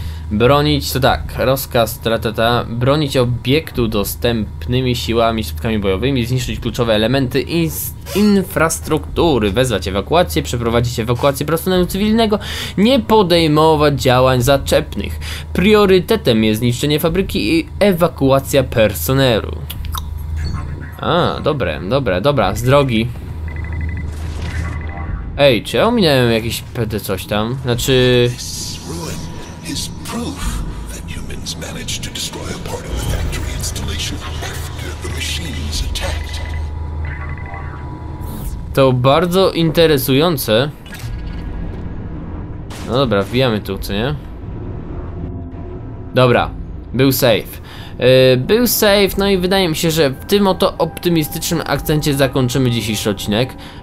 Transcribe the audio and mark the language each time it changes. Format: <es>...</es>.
<pl>Bronić, to tak, rozkaz, bronić obiektu dostępnymi siłami, środkami bojowymi, zniszczyć kluczowe elementy infrastruktury, wezwać ewakuację, przeprowadzić ewakuację personelu cywilnego, nie podejmować działań zaczepnych. Priorytetem jest zniszczenie fabryki i ewakuacja personelu. A, dobre, dobre, dobra, z drogi. Ej, czy ja ominąłem jakieś PD coś tam? Znaczy...</pl> <en>is proof that humans managed to destroy a part of the factory installation after the machines attacked.</en> <pl>To bardzo interesujące. No dobra, wbijamy tu, co nie? Dobra, był safe. Był safe, no i wydaje mi się, że w tym oto optymistycznym akcencie zakończymy dzisiejszy odcinek.</pl>